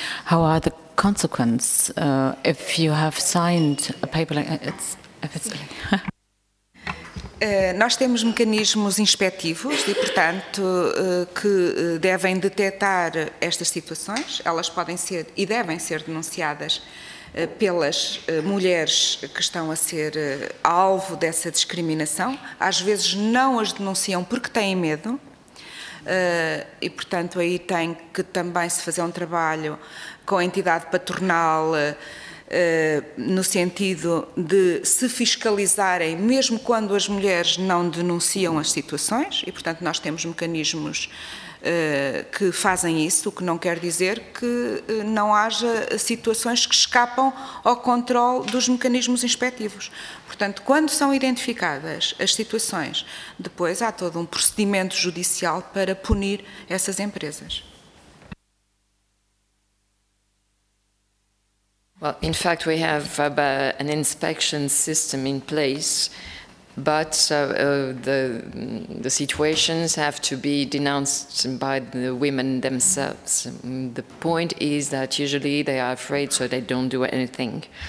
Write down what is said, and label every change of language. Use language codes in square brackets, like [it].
[en] How are the consequences if you have signed a paper like it's, if it's illegal? [pt] Nós temos mecanismos inspectivos e, portanto, que devem detectar estas situações. Elas podem ser e devem ser denunciadas pelas mulheres que estão a ser alvo dessa discriminação. Às vezes não as denunciam porque têm medo. E, portanto, aí tem que também se fazer um trabalho com a entidade patronal, no sentido de se fiscalizarem mesmo quando as mulheres não denunciam as situações e, portanto, nós temos mecanismos que fazem isso, o que não quer dizer que não haja situações que escapam ao controle dos mecanismos inspectivos. Portanto, quando são identificadas as situações, depois há todo um procedimento judicial para punir essas empresas. [en] Well, in fact, we have an inspection system in place, but the situations have to be denounced by the women themselves. The point is that usually they are afraid, so they don't do anything.